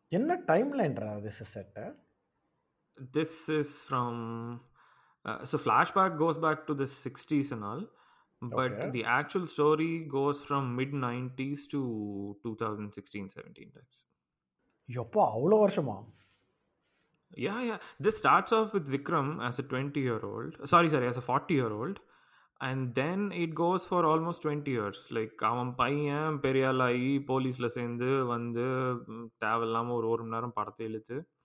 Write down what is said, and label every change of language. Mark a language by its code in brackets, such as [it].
[ta] என்ன [en] Time லைன்ரா this is set? This is from so flashback goes back to the 60s and all, but the actual story goes from mid 90s to 2016-17 times. [ta] எப்போ? அவ்வளோ வருஷமா? [en] Yeah, yeah. This starts off with Vikram as a 20-year-old. Sorry, as a 40-year-old. And then it goes for almost 20 years. Like, [ta] அவன் பையன் பெரியாலாயி போலீஸில் சேர்ந்து வந்து தேவையில்லாமல் ஒரு ஒரு மணி நேரம் படத்தை இழுத்து.